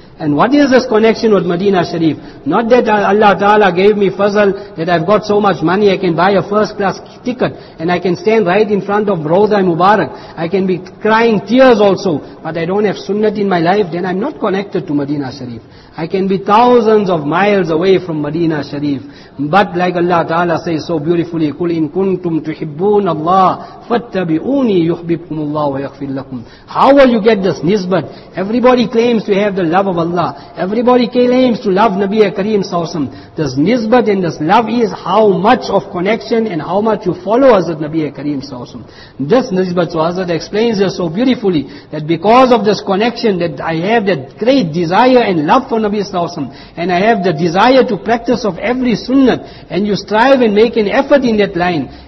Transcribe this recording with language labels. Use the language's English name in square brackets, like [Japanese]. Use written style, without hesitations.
[English] And what is this connection with Medina Sharif? Not that Allah Ta'ala gave me fazal, that I've got so much money, I can buy a first class ticket, and I can stand right in front of Rauza-e Mubarak. I can be crying tears also, but I don't have sunnat in my life, then I'm not connected to Medina Sharif. I can be thousands of miles away from Medina Sharif. But like Allah Ta'ala says so beautifully, [Arabic] قُلْ إِن كُنْتُمْ تُحِبُّونَ اللَّهِ فَاتَّبِعُونِي يُحْبِبْكُمُ اللَّهُ وَيَغْفِرْ لَكُمْ. [English] How will you get this nisbat? Everybody claims to have the love of Allah. Everybody claims to love Nabi Kareem Sawsam. This nisbat and this love is how much of connection and how much you follow Hazrat Nabi Kareem Sawsam. This nisbat, so Hazrat explains this so beautifully, that because of this connection that I have that great desire and love for Nabi Sallallahu Alaihi Wasallam, and I have the desire to practice of every sunnah, and you strive and make an effort in that line.